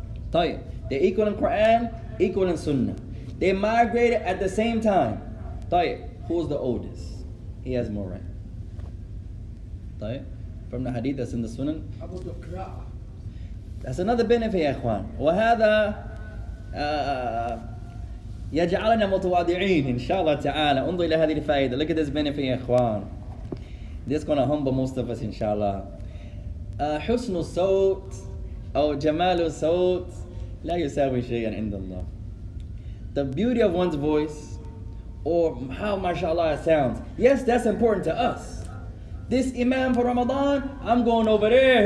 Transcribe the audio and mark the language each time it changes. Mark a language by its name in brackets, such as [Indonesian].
[Arabic] طيب. [English] They're equal in Quran, equal in Sunnah. They migrated at the same time. طيب. Who's the oldest? He has more rank. طيب. From the hadith that's in the Sunnah. That's another benefit, ya Ikhwan. [Arabic] وهذا يجعلنا متواضعين إن شاء الله تعالى. انظر إلى هذه الفائدة. [English] Look at this benefit, ya Ikhwan. This is going to humble most of us, inshallah. [Arabic] Husnul sawt, [English] or [Arabic] jamalul sawt, la yusawi shay'an indallah. [English] The beauty of one's voice, or how mashallah it sounds. Yes, that's important to us. This imam for Ramadan, I'm going over there.